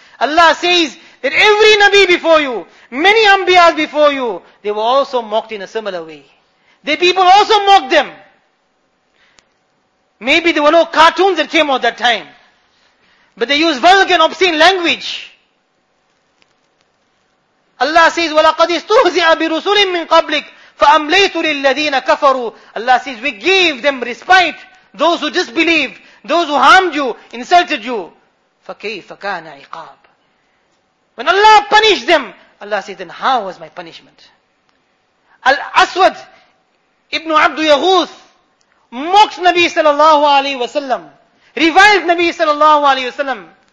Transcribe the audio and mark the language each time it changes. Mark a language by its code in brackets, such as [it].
[en] Allah says that every Nabi before you, many Anbiyas before you, they were also mocked in a similar way. The people also mocked them. Maybe there were no cartoons that came out that time, but they used vulgar and obscene language. Allah says, [ar] وَلَقَدِ اسْتُهْزِئَ بِرُسُولٍ مِّن قَبْلِكَ. فَأَمْلَيْتُ لِلَّذِينَ كَفَرُوا. [en] Allah says, we gave them respite, those who disbelieved, those who harmed you, insulted you. [ar] فَكَيْفَ كَانَ عِقَابٌ. [en] When Allah punished them, Allah says, then how was my punishment? Al-Aswad ibn Abdu Yahuth mocked Nabi sallallahu alayhi wa sallam, reviled Nabi sallallahu alayhi wa sallam.